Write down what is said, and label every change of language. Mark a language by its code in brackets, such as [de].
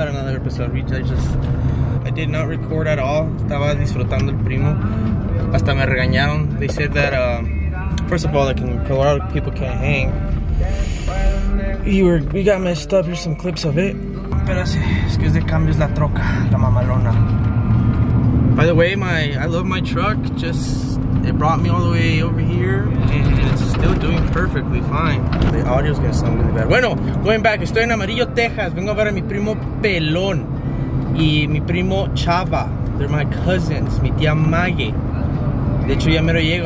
[en] Not another episode, I did not record at all. [es] Estaba disfrutando el primo. Hasta me regañaron. [en] They said that, first of all, that can, a lot of people can't hang. We got messed up. Here's some clips of it. [es] Espérase, es que es de cambios la troca, la mamalona. [en] By the way, I love my truck. Just, it brought me all the way over here. And it's still doing perfectly fine. The audio's gonna sound really bad. [es] Bueno, [en] going back, [es] estoy en Amarillo, Texas. Vengo a ver a mi primo Pelón. Y mi primo Chava. [en] They're my cousins. [es] Mi tía Maggie. De hecho, ya mero llego.